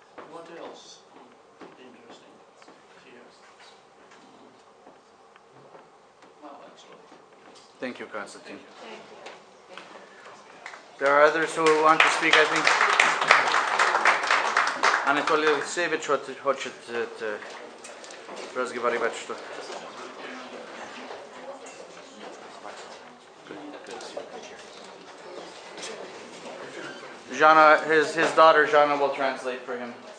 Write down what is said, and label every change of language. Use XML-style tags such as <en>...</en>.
<en>What else interesting here? Well, that's all. Thank you, Konstantin. Thank you. Thank you. There are others who want to speak, I think.</en> <ru>Anatoly Alexeyevich хочет разговаривать что.</ru> <en>Good. Good to see you. Good to see you. Jana, his daughter Jana will translate for him.</en>